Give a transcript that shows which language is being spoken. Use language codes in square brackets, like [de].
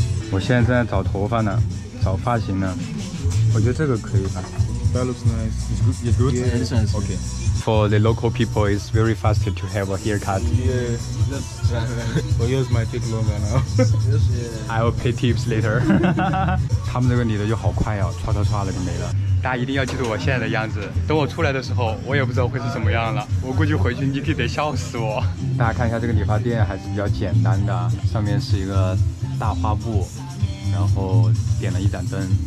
[zh] 我现在正在找头发呢，找发型呢。我觉得这个可以吧。 [en] That looks nice. It's good. Yeah, it's nice. Okay. For the local people, it's very fast to have a haircut. Yeah, that's right. For yours might take longer now. Yes, yeah. I will pay tips later. [zh] 他们这个女的就好快哦，唰唰唰的就没了。大家一定要记住我现在的样子，等我出来的时候，我也不知道会是什么样了。我估计回去你可得笑死我。大家看一下这个理发店还是比较简单的，上面是一个大花布，然后点了一盏灯。